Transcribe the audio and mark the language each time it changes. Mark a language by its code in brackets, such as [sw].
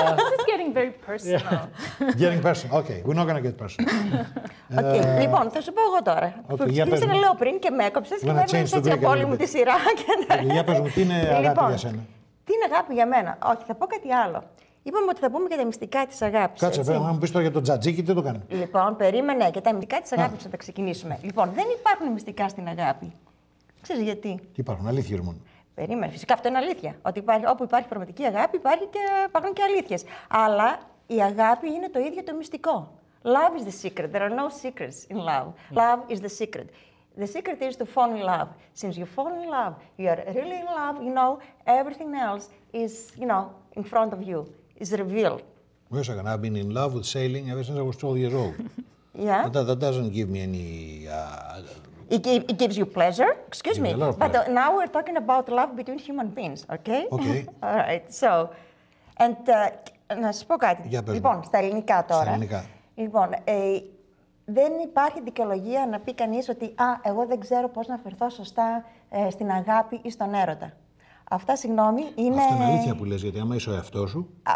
[en] This is getting very personal. Yeah. Getting personal. Okay, we're not going to get personal. [el] Okay, λοιπόν, θα σου πω εγώ τώρα. Ξεκίνησε να λέω πριν και με έκοψες και με έβλεπες έτσι από όλη μου τη σειρά. Για πες μου, τι είναι αγάπη για σένα. Τι είναι αγάπη για μένα. Όχι, θα πω κάτι άλλο. Είπαμε ότι θα πούμε για τα μυστικά της αγάπης. Κάτσε, πρέπει να μου πεις τώρα για το τζατζίκι, τι το κάνει. Λοιπόν, περίμενε, για τα μυστικά της αγάπης θα τα ξεκινήσουμε. Λοιπόν, δεν υπάρχουν μυστικά στην αγάπη. Ξέρεις γιατί. Τι υπάρχουν, αλήθειες μόνο. Περίμενε, φυσικά αυτό είναι αλήθεια. Ότι όπου υπάρχει πραγματική αγάπη, υπάρχουν και αλήθειες. Αλλά η αγάπη είναι το ίδιο το μυστικό. [en] Love is the secret. There are no secrets in love. Love is the secret. The secret is to fall in love. Since you fall in love, you are really in love, you know, everything else is, you know, in front of you, is revealed. Yes, I've been in love with sailing ever since I was 12 years old. Yeah? That doesn't give me any... It gives you pleasure, excuse me. A lot of but pleasure. Now we're talking about love between human beings, okay? Okay. All right, so... [el] And, να σου πω κάτι. Για πες λοιπόν, μου. Στα ελληνικά τώρα. Στα ελληνικά. Λοιπόν, δεν υπάρχει δικαιολογία να πει κανείς ότι «Α, εγώ δεν ξέρω πώς να αφαιρθώ σωστά στην αγάπη ή στον έρωτα». Αυτά, συγγνώμη, είναι... Αυτό είναι αλήθεια που λες, γιατί άμα είσαι ο εαυτός σου...